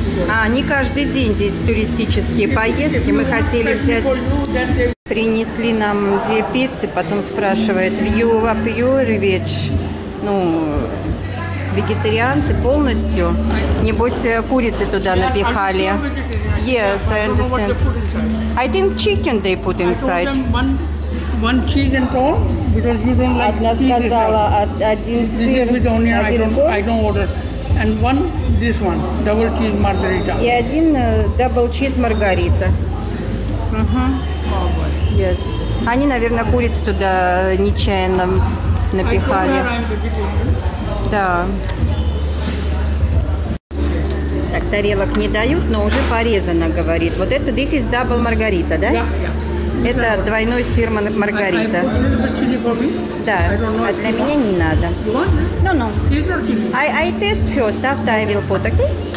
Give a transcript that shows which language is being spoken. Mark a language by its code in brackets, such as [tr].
[ru] А, не каждый день здесь туристические поездки. Мы хотели взять... Принесли нам две пиццы, потом спрашивает, [en] view of your veg, [ru] ну, вегетарианцы полностью. Небось, курицы туда напихали. [en] Yes, I understand. I think chicken they put inside. One cheese and all, because you don't like [ru] одна сказала, один сыр, один корм. [en] I don't order. And one, this one, double cheese margarita. [ru] И один double cheese margarita. [en] Yes. [ru] Они, наверное, курицу туда нечаянно напихали. Да. Так, тарелок не дают, но уже порезано, говорит. Вот это [en] this is double margarita, да? Yeah. [ru] Это двойной сыр маргарита. Да, а для меня не надо. [en] No, no. I test first, after I will put, okay?